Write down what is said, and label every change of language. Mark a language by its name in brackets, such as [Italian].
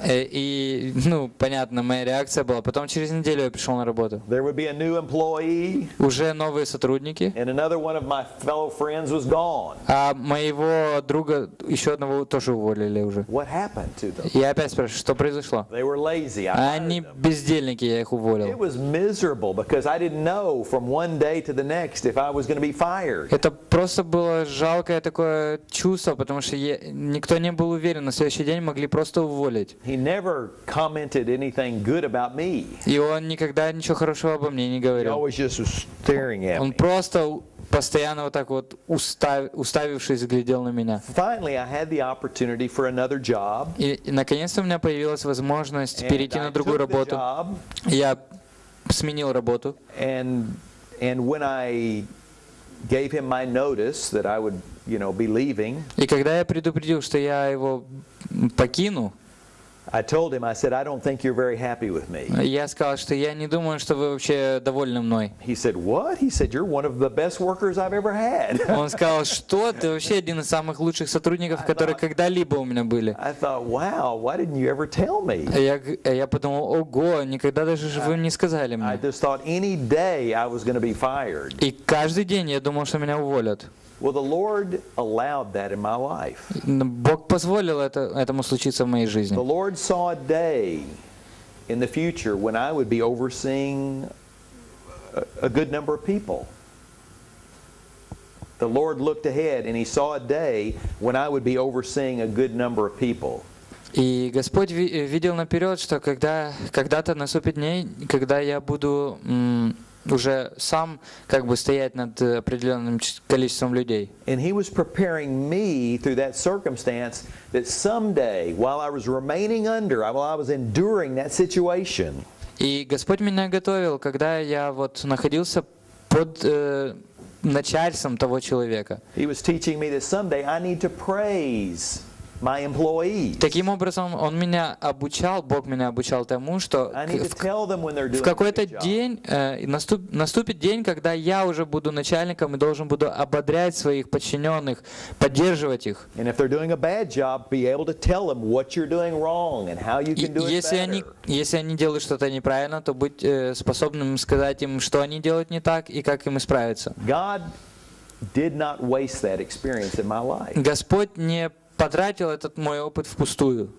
[Russian] И, ну, понятно, моя реакция была. Потом через неделю я пришел на работу. [English] There would be a new employee. [Russian] Уже новые сотрудники. [English] And another one of my fellow friends was gone. [Russian] А моего друга еще одного тоже уволили уже. [English] What happened to them? [Russian] Я опять спрашиваю, что произошло? [English] They were lazy. [Russian] Они бездельники, я их уволил. [English] It was miserable because I didn't know from one day to the next if I was going to be fired. [Russian] Это просто было жалкое такое чувство, потому что никто не был уверен, на следующий день могли просто уволить. [English] He never commented anything good about me. [Russian] И он никогда ничего хорошего обо мне не говорил. [English] He always just was staring at me. [Russian] Он просто постоянно вот так вот уставившись глядел на меня. [English] Finally, I had the opportunity for another job. [Russian] И наконец-то у меня появилась возможность [English] And [Russian] перейти на другую работу. [English] The job. [Russian] Я сменил работу. [English] And when I gave him my notice that I would, you know, be leaving. [Russian] И когда я предупредил, что я его покину, [English] I told him, I said, I don't think you're very happy with me. [Russian] Я сказал, что я не думаю, что вы вообще довольны мной. [English] He said, what? He said, you're one of the best workers I've ever had. [Russian] Он сказал, что ты вообще один из самых лучших сотрудников, которые когда-либо у меня были. [English] I thought, wow, why didn't you ever tell me? [Russian] Я подумал, ого, никогда даже вы не сказали мне. [English] I just thought any day I was going to be fired. [Russian] И каждый день я думал, что меня уволят. [English] Well, the Lord allowed that in my life. [Russian] Бог позволил этому случиться в моей жизни. [English] The Lord saw a day in the future when I would be overseeing a good number of people. The Lord looked ahead and he saw a day when I would be overseeing a good number of people. [Russian] И Господь видел наперед, что когда-то наступит дней, когда я буду уже сам как бы стоять над определенным количеством людей. [English] And he was preparing me through that circumstance that someday, while I was remaining under, while I was enduring that situation. [Russian] И Господь меня готовил, когда я вот находился под начальством того человека. [English] He was teaching me that someday I need to praise my employees. [Russian] Таким образом, он меня обучал, Бог меня обучал тому, что в какой-то день наступит день, когда я уже буду начальником и должен буду ободрять своих подчиненных, поддерживать их. [English] And if they're doing a bad job, be able to tell them what you're doing wrong and how you can do it better. [Russian] Если они делают что-то неправильно, то быть способным сказать им, что они делают не так и как им исправиться. [English] God did not waste that experience in my life. [Russian] Господь не потратил этот мой опыт впустую.